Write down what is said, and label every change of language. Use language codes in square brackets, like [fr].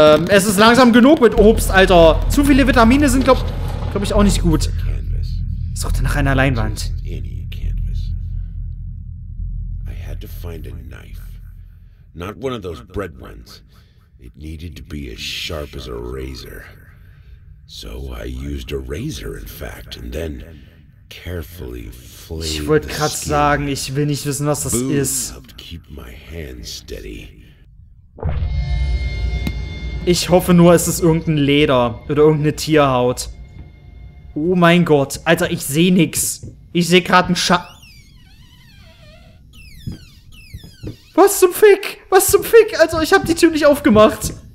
[de] Es ist langsam genug mit Obst, Alter. Zu viele Vitamine sind, glaube ich, auch nicht gut. Suchte nach einer Leinwand. [en] Any canvas. I had to find a knife. Not one of those bread ones. It needed to be as sharp as a razor. So I used a razor, in fact, and then carefully flayed. [de] Ich wollte gerade sagen, ich will nicht wissen, was das Boom ist. [en] Helped keep my hands steady. [de] Ich hoffe nur, es ist irgendein Leder oder irgendeine Tierhaut. Oh mein Gott, Alter, ich sehe nix. Ich sehe gerade einen Schatten. Was zum Fick? Was zum Fick? Also, ich habe die Tür nicht aufgemacht.